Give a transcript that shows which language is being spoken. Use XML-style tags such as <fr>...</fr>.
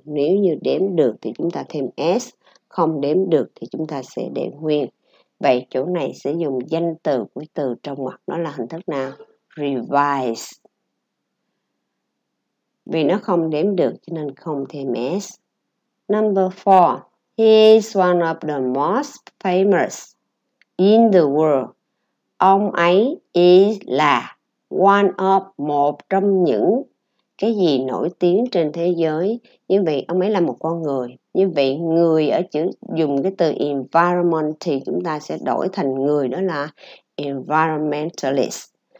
<vi>Nếu như đếm được thì chúng ta thêm s, không đếm được thì chúng ta sẽ để nguyên. Vậy chỗ này sẽ dùng danh từ của từ trong ngoặc, nó là hình thức nào? Revise. Vì nó không đếm được cho nên không thêm s.</vi> <en>Number 4. He is one of the most famous in the world.</en> <vi>Ông ấy is là one of, một trong những cái gì nổi tiếng trên thế giới. Như vậy ông ấy là một con người. Như vậy người ở chữ dùng cái từ environment thì chúng ta sẽ đổi thành người, đó là environmentalist.</vi>